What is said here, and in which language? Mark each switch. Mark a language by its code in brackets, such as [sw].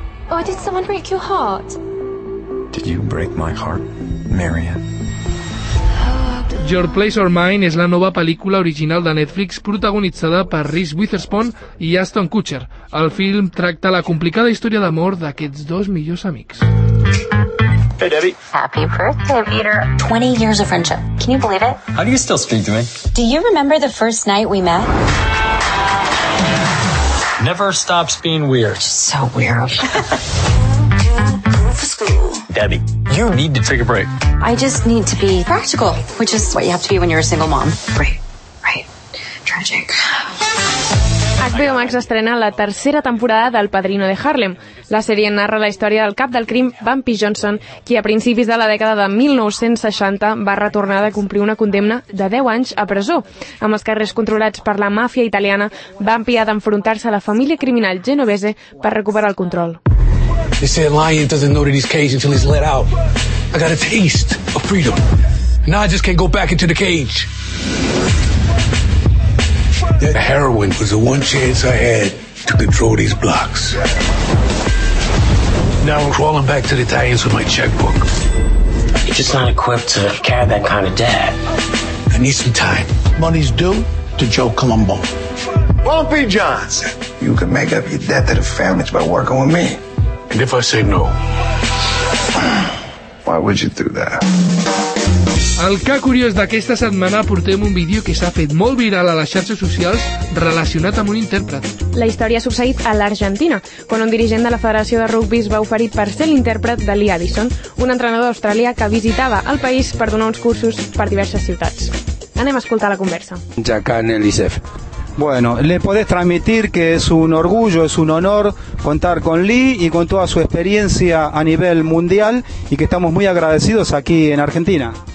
[en] Or did someone break your heart? Did you break my heart, Marianne? [ca] Your Place or Mine és la nova pel·lícula original de Netflix protagonitzada per Reese Witherspoon i Ashton Kutcher. El film tracta la complicada història d'amor d'aquests dos millors amics. [en] Hey, Debbie. Happy birthday, Peter. 20 years of friendship. Can you believe it? How do you still speak to me? Do you remember the first night we met? Never stops being weird. So weird. Debbie, you need to take a break. I just need to be practical, which is what you have to be when you're a single mom. Right. Tragic. [ca] HBO Max estrena la tercera temporada del Padrino de Harlem. La sèrie narra la història del cap del crim, Bumpy Johnson, qui a principis de la dècada de 1960 va retornar de complir una condemna de 10 anys a presó. Amb els carrers controlats per la màfia italiana, Bumpy ha d'enfrontar-se a la família criminal genovese per recuperar el control. [en] They say a lion doesn't know that he's caged until he's let out. I got a taste of freedom. Now I just can't go back into the cage. That heroin was the one chance I had to control these blocks. Now I'm crawling back to the Italians with my checkbook. You're just not equipped to carry that kind of debt. I need some time. Money's due to Joe Colombo. Bumpy Johnson, you can make up your debt to the families by working with me. And if I say no, why would you do that? [ca] El que curiós d'aquesta setmana portem un vídeo que s'ha fet molt viral a les xarxes socials relacionat amb un intèrpret. La història ha succeït a l'Argentina, quan un dirigent de la Federació de Rugby va oferir per ser l'intèrpret de Lee Addison, un entrenador australià que visitava el país per donar uns cursos per diverses ciutats. Anem a escoltar la conversa. Jacan Elisef. [es] Bueno, le podés transmitir que es un orgullo, es un honor contar con Lee y con toda su experiencia a nivel mundial y que estamos muy agradecidos aquí en Argentina.